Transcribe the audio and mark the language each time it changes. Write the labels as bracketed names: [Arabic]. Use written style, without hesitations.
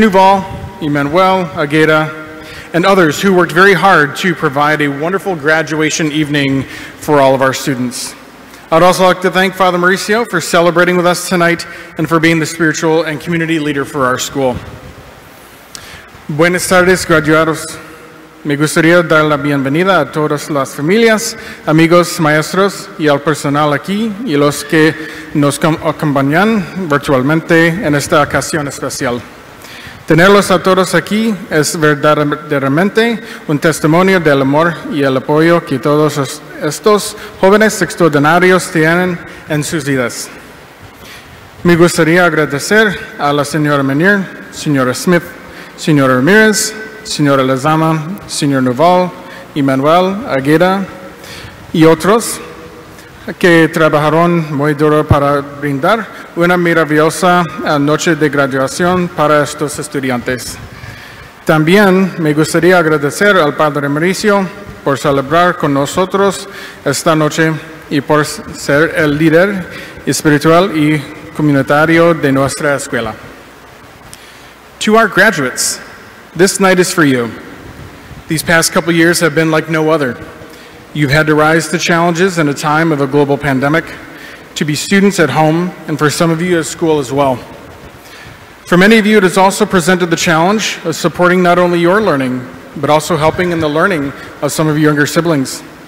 [English] Newval, Emmanuel, Ageda, and others who worked very hard to provide a wonderful graduation evening for all of our students. I'd also like to thank Father Mauricio for celebrating with us tonight and for being the spiritual and community leader for our school. [Spanish] Buenas tardes, graduados. Me gustaría dar la bienvenida a todas las familias, amigos, maestros y al personal aquí y los que nos acompañan virtualmente en esta ocasión especial. Tenerlos a todos aquí es verdaderamente un testimonio del amor y el apoyo que todos estos jóvenes extraordinarios tienen en sus vidas. Me gustaría agradecer a la señora Menier, señora Smith, señora Ramírez, señora Lezama, señor Noval, Emmanuel, Aguera y otros que trabajaron muy duro para brindar una maravillosa noche de graduación para estos estudiantes. También me gustaría agradecer al Padre Mauricio por celebrar con nosotros esta noche y por ser el líder espiritual y comunitario de nuestra escuela. [English] To our graduates, this night is for you. These past couple years have been like no other. You've had to rise to challenges in a time of a global pandemic, to be students at home, and for some of you at school as well. For many of you, it has also presented the challenge of supporting not only your learning, but also helping in the learning of some of your younger siblings.